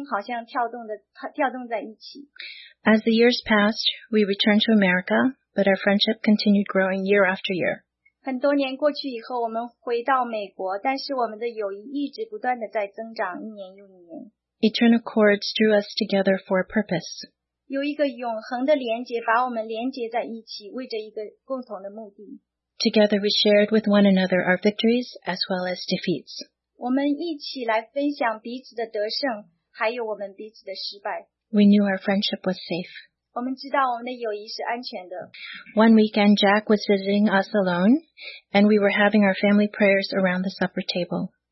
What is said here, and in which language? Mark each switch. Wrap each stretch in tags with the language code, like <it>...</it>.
<zh>他们成为我们特别的朋友，我们的心好像跳动在一起。</zh> <en>As the years passed, we returned to America, but our friendship continued growing year after year.</en> <zh>很多年过去以后，我们回到美国，但是我们的友谊一直不断的在增长，一年又一年。</zh> <en>It turned a cord drew us together for a purpose.</en> <zh>有一个永恒的连接把我们连接在一起，为着一个共同的目的。</zh> <en>Together we shared with one another our victories as well as defeats.</en> <zh>我们一起来分享彼此的得胜，还有我们彼此的失败。</zh> <en>We knew our friendship was safe.</en> <zh>我们知道我们的友谊是安全的。</zh> <en>One weekend, Jack was visiting us alone, and we were having our family prayers around the supper table.</en>